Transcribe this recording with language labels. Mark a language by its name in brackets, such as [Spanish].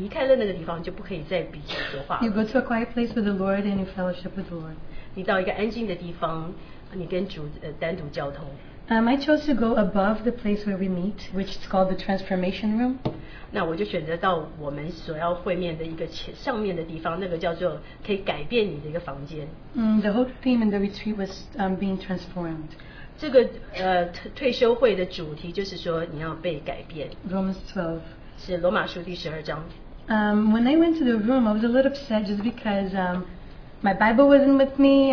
[Chinese] 我们就是在一个地方,我们可以彼此说话,彼此敬拜主,但是我们离开了那个地方,就不可以再彼此说话。 [English] You go to a quiet place with the Lord and you fellowship with the Lord. [Chinese] 你到一个安静的地方,你跟主单独交通。 [English] I chose to go above the place where we meet, which is called the Transformation Room. [Chinese] 那我就选择到我们所要会面的一个上面的地方,那个叫做可以改变你的一个房间。 [English] The whole theme in the retreat was being transformed. [Chinese] 这个退休会的主题就是说你要被改变。 [English] Romans 12. [Chinese] 是罗马书第12章。 [English] When I went to the room, I was a little upset just because my Bible wasn't with me.